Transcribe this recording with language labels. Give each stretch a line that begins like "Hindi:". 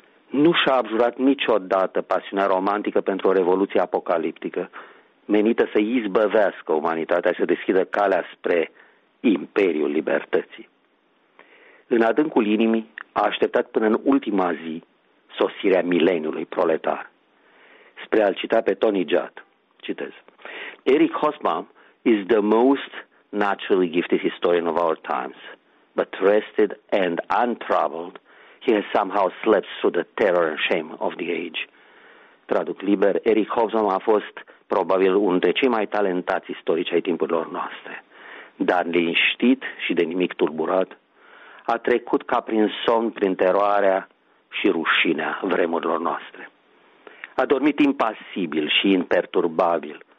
Romanian: Nu și-a abjurat niciodată pasiunea romantică pentru o revoluție apocaliptică, menită să izbăvească umanitatea și să deschidă calea spre Imperiul Libertății. În adâncul inimii a așteptat până în ultima zi sosirea mileniului proletar. Spre a-l cita pe Tony Judd, citez,
English: Eric Hobsbawm is the most naturally gifted historian of our times, but rested and untroubled, he has somehow slept through the terror and shame of the age.
Romanian: Traduc liber, Eric Hobsbawm a fost probabil unul dintre cei mai talentați istorici ai timpurilor noastre. Dar liniștit și de nimic tulburat, a trecut ca prin somn, prin teroarea și rușinea vremurilor noastre. A dormit impasibil și imperturbabil,